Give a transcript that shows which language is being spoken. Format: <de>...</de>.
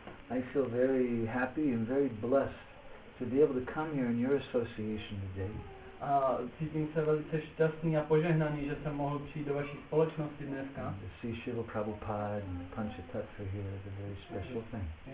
<en>I feel very happy and very blessed to be able to come here in your association today.</en> <cs>Cítím se velice šťastný a požehnaný, že jsem mohl přijít do vaší společnosti dneska.</cs> <en>See Srila Prabhupada and Panchatattva here is a very special thing.</en>